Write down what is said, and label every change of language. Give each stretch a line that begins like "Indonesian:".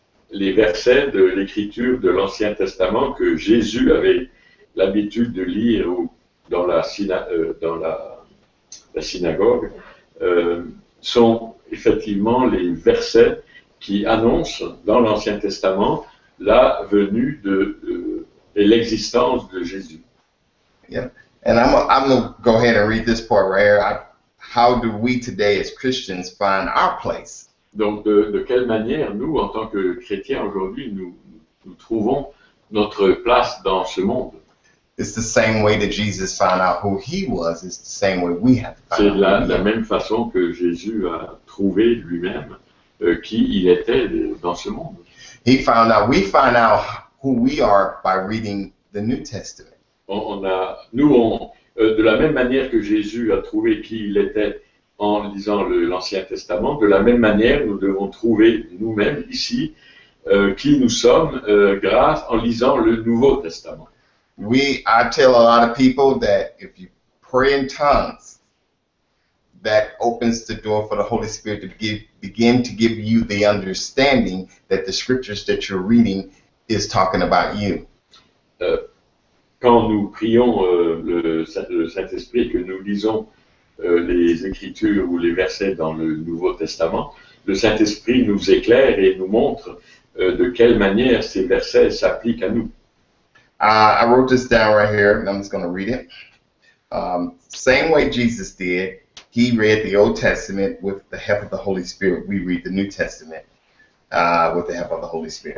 French: Les versets de l'Écriture de l'Ancien Testament que Jésus avait l'habitude de lire ou dans la synagogue sont effectivement les versets qui annoncent dans l'Ancien Testament la venue et l'existence de Jésus.
English: Yeah, and I'm gonna go ahead and read this part right here. How do we today as Christians find our place?
French: Donc de quelle manière nous en tant que chrétiens aujourd'hui nous trouvons notre place dans ce monde?
English: It's the same way that Jesus found out who he was. It's the same way we have to find.
French: C'est la même façon que Jésus a trouvé lui-même qui il était dans ce monde.
English: He found out, we find out who we are by reading the New Testament.
French: De la même manière que Jésus a trouvé qui il était en lisant l'Ancien Testament, de la même manière, nous devons trouver nous-mêmes ici qui nous sommes grâce en lisant le Nouveau Testament.
English: We, I tell a lot of people that if you pray in tongues, that opens the door for the Holy Spirit to begin to give you the understanding that the scriptures that you're reading is talking about you.
French: Quand nous prions le Saint-Esprit, que nous lisons les Écritures ou les versets dans le Nouveau Testament, le Saint-Esprit nous éclaire et nous montre de quelle manière ces versets s'appliquent à nous.
English: I wrote this down right here, and I'm just going to read it. Same way Jesus did, he read the Old Testament with the help of the Holy Spirit. We read the New Testament with the help of the Holy Spirit.